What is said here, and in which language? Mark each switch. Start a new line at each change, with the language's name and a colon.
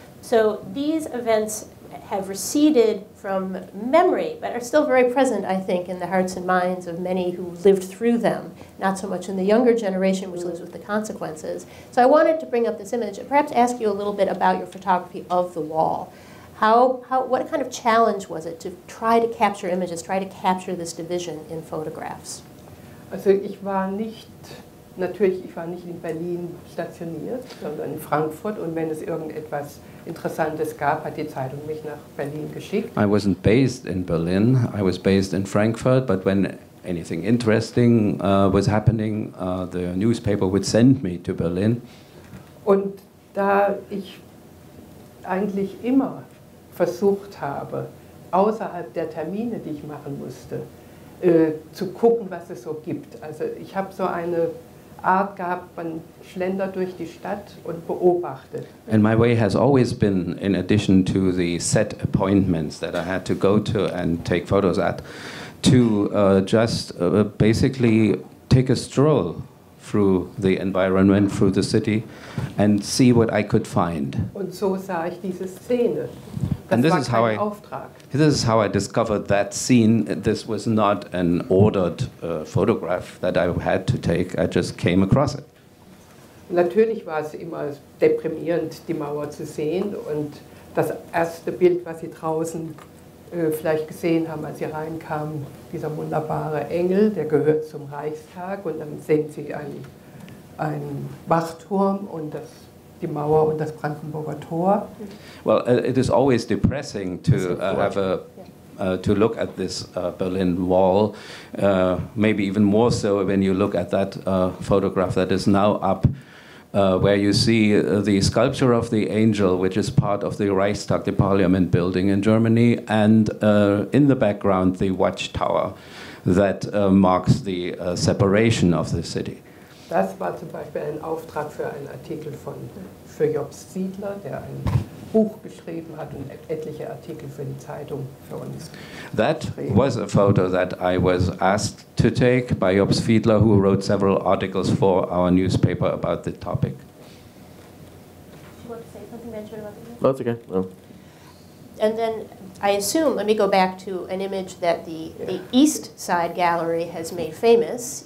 English: So these events have receded from memory, but are still very present, I think, in the hearts and minds of many who lived through them, not so much in the younger generation, which lives with the consequences. So I wanted to bring up this image and perhaps ask you a little bit about your photography of the wall. What kind of challenge was it to try to capture images, try to capture this division in photographs?
German: Also ich war nicht Natürlich, ich war nicht in Berlin stationiert, sondern in Frankfurt. Und wenn es irgendetwas Interessantes gab, hat die Zeitung mich nach Berlin geschickt.
English: I wasn't based in Berlin. I was based in Frankfurt. But when anything interesting was happening, the newspaper would send me to Berlin.
German: Und da ich eigentlich immer versucht habe, außerhalb der Termine, die ich machen musste, zu gucken, was es so gibt. Also ich habe so eine Art gab, man schlendert durch die Stadt und beobachtet.
English: And my way has always been, in addition to the set appointments that I had to go to and take photos at, to basically take a stroll through the environment, through the city, and see what I could find.
German: Und so sah ich diese Szene.
English: This is how I discovered that scene. This was not an ordered photograph that I had to take. I just came across it.
German: Natürlich war es immer deprimierend, die Mauer zu sehen und das erste Bild, was sie draußen vielleicht gesehen haben, als sie reinkamen, dieser wunderbare Engel, der gehört zum Reichstag, und dann sehen sie einen Wachturm und das die Mauer und das Brandenburger Tor.
English: Well, it is always depressing to have to look at this Berlin Wall. Maybe even more so when you look at that photograph that is now up, where you see the sculpture of the angel, which is part of the Reichstag, the Parliament building in Germany, and in the background the watchtower that marks the separation of the city.
German: Das war zum Beispiel ein Auftrag für einen Artikel für Jobs Siedler, der ein Buch geschrieben hat und etliche Artikel für die Zeitung für uns.
English: That was a photo that I was asked to take by Jobs Siedler, who wrote several articles for our newspaper about the topic. Do you want to say something, Benjamin, about this? No, it's okay. No. And then I assume, let me go back to an image that the East Side Gallery has made famous.